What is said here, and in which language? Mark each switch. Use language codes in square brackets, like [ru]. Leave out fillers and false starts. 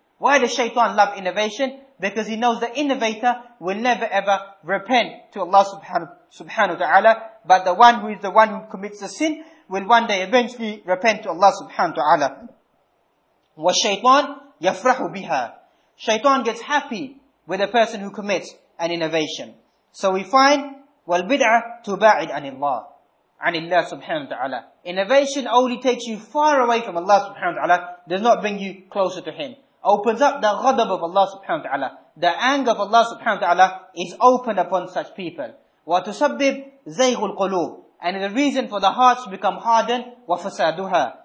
[en] Why does shaitan love innovation? Because he knows the innovator will never ever repent to Allah subhanahu wa ta'ala, but the one who is the one who commits the sin will one day eventually repent to Allah subhanahu wa ta'ala. [ar] وَالشَّيْطَانِ يَفْرَحُ بِهَا. [en] Shaitan gets happy with a person who commits an innovation. So we find, [ar] وَالْبِدْعَ تُبَاعِدْ عَنِ اللَّهِ عَنِ اللَّهِ سُبْحَانَهُ وَتَعَالَى. [en] Innovation only takes you far away from Allah subhanahu wa ta'ala, does not bring you closer to Him. Opens up the ghadab of Allah subhanahu wa ta'ala. The anger of Allah subhanahu wa ta'ala is open upon such people. [ar] وَتُسَبِّبْ زَيْغُ الْقُلُوبِ. [en] And the reason for the hearts to become hardened, [ar] وَفَسَادُهَا.